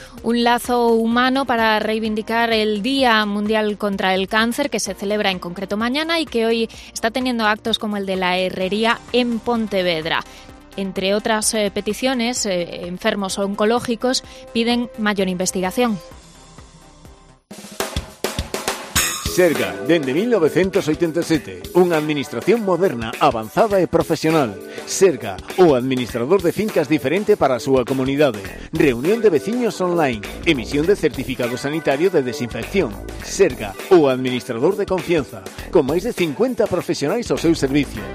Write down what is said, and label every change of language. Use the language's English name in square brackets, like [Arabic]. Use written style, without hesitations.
[Spanish] Un lazo humano para reivindicar el Día Mundial contra el Cáncer, que se celebra en concreto mañana y que hoy está teniendo actos como el de la herrería en Pontevedra. Entre otras peticiones, enfermos oncológicos piden mayor investigación. [Galician] Serga, dende 1987, unha administración moderna, avanzada e profesional. Serga, o administrador de fincas diferente para a súa comunidade. Reunión de veciños online, emisión de certificado sanitario de desinfección. Serga, o administrador de confianza, con máis de 50 profesionais ao seu servicio.